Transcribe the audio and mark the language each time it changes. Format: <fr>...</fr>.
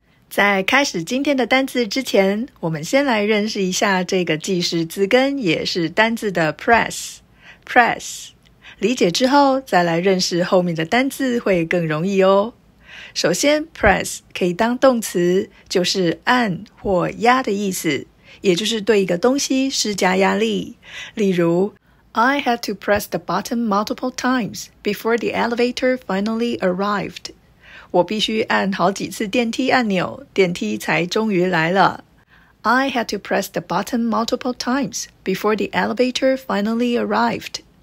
<zh>在开始今天的单字之前，我们先来认识一下这个既是字根也是单字的 press。 press理解之后，再来认识后面的单字会更容易哦。首先 press 可以当动词，就是按或压的意思，也就是对一个东西施加压力。</zh> <en>例如 I had to press the button multiple times before the elevator finally arrived.</en> <zh>我必须按好几次电梯按钮，电梯才终于来了。</zh> <en>I had to press the button multiple times before the elevator finally arrived.</en>